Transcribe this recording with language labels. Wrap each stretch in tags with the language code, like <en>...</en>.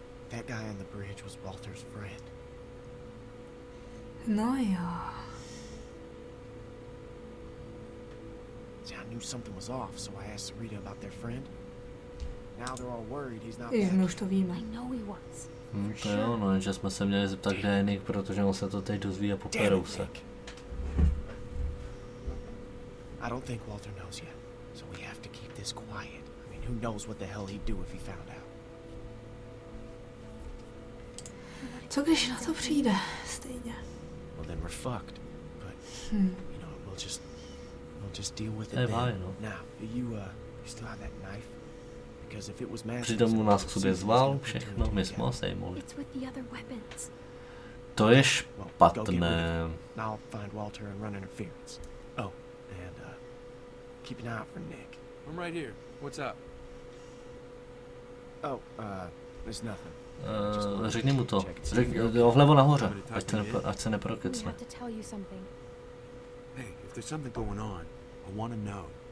<en>That guy on the bridge was Walter's friend.</en> <cs>No jo.</cs> <en>See, I knew something was off, so I asked Sarita about their friend. Now they're all worried he's not back.</en> <cs>My už to víme.</cs> <en>I know he was.</en> <cs>To je ono, že jsme se měli zeptat, kde je Nick, protože on se to teď dozví a poperou se.</cs> <en>I don't think Walter knows yet, so we have to keep this quiet. I mean, who knows what the hell he'd do if he found out.</en> <cs>Co když na to přijde? Stejně.</cs> <en>Then we're fucked, but you know, we'll just deal with it then. Now you still have that knife, because if it was it's with the other weapons.</en> <cs>To je špatné.</cs> <en>I'll find Walter and run interference. Oh, and keep an eye out for Nick. I'm right here. What's up? Oh, there's nothing.</en> <cs>Řekni mu to. Řekni, jo, vlevo nahoře, ať se neprokecne.</cs> <en>Hey, if there's something going on, I want to know.</en>